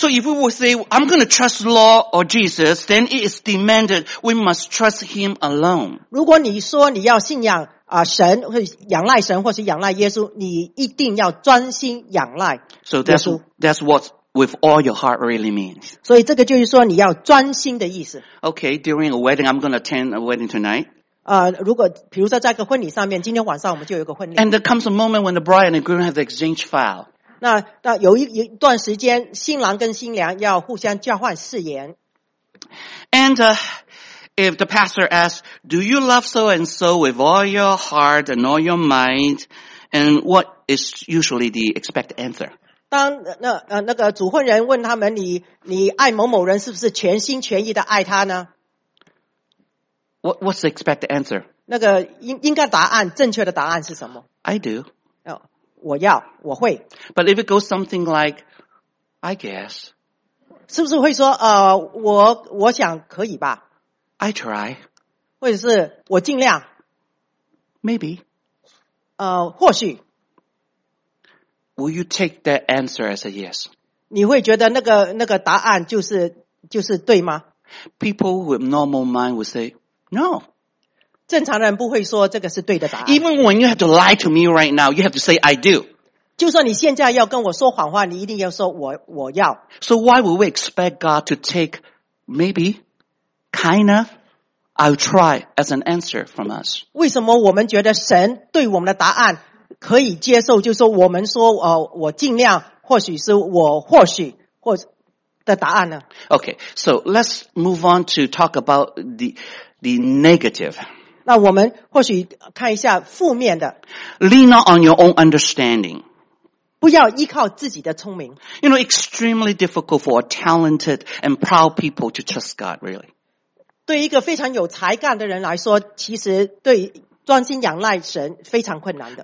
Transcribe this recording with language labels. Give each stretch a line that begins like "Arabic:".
English: So if we will say, I'm going to trust the law or Jesus, then it is demanded we must trust him alone.
Chinese: 如果你说你要信仰神或仰赖神或是仰赖耶稣，你一定要专心仰赖耶稣。
English: So that's what with all your heart really means.
Chinese: 所以这个就是说你要专心的意思。
English: Okay, during a wedding, I'm going to attend a wedding tonight.
Chinese: 如果比如说在一个婚礼上面，今天晚上我们就有一个婚礼。
English: And there comes a moment when the bride and the groom have exchanged vow.
Chinese: 那有一段时间，新郎跟新娘要互相交换誓言。
English: And if the pastor asks, "Do you love so and so with all your heart and all your mind?" and what is usually the expected answer?
Chinese: 当那个主婚人问他们你爱某某人是不是全心全意的爱他呢
English: ？What's the expected answer?
Chinese: 那个应该答案正确的答案是什么
English: ？I do.
Chinese: 我要我会。
English: But if it goes something like, I guess.
Chinese: 是不是会说我想可以吧
English: ？I try.
Chinese: 或者是我尽量。
English: Maybe.
Chinese: 或许。
English: Will you take that answer as a yes?
Chinese: 你会觉得那个答案就是对吗
English: ？People with normal mind would say no.
Chinese: 正常人不会说这个是对的答案。
English: Even when you have to lie to me right now, you have to say I do.
Chinese: 就算你现在要跟我说谎话，你一定要说我要。
English: So why would we expect God to take maybe, kinda, I'll try as an answer from us?
Chinese: 为什么我们觉得神对我们的答案？可以接受，就是说我们说我尽量，或许是我或许或的答案呢
English: ？Okay, so let's move on to talk about the negative.
Chinese: 那我们或许看一下负面的。
English: Lean not on your own understanding.
Chinese: 不要依靠自己的聪明。
English: You know, extremely difficult for a talented and proud people to trust God, really.
Chinese: 对一个非常有才干的人来说，其实对。专心仰赖神非常困难的。